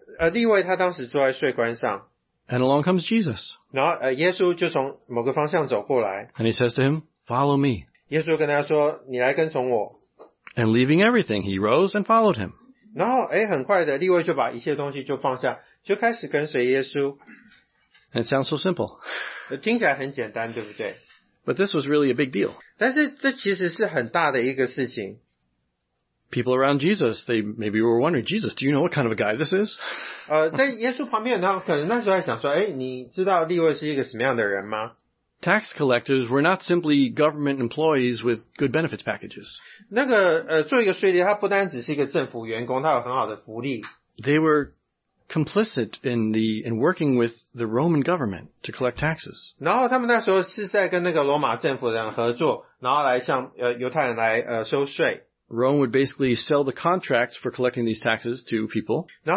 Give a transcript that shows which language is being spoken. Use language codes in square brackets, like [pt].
[zh] 利未他当时坐在税关上。 [en] And along comes Jesus. [zh] 然后耶稣就从某个方向走过来。 [en] And he says to him, follow me. [zh] 耶稣跟他说, [en] and leaving everything, he rose and followed him. [zh] 然后很快的利未就把一切东西就放下, [en] and it sounds so simple. [zh] 听起来很简单, [en] but this was really a big deal. People around Jesus, they maybe were wondering, Jesus, do you know what kind of a guy this is? [zh] 在耶稣旁边的话,可能那时候还想说,诶,你知道利未是一个什么样的人吗? [en] Tax collectors were not simply government employees with good benefits packages. [zh] 那个,做一个税吏,他不单只是一个政府员工,他有很好的福利。 [en] They were complicit in working with the Roman government to collect taxes. [zh] 然后他们那时候是在跟那个罗马政府的人合作,然后来向犹太人来收税。 [en] Rome would basically sell the contracts for collecting these taxes to people.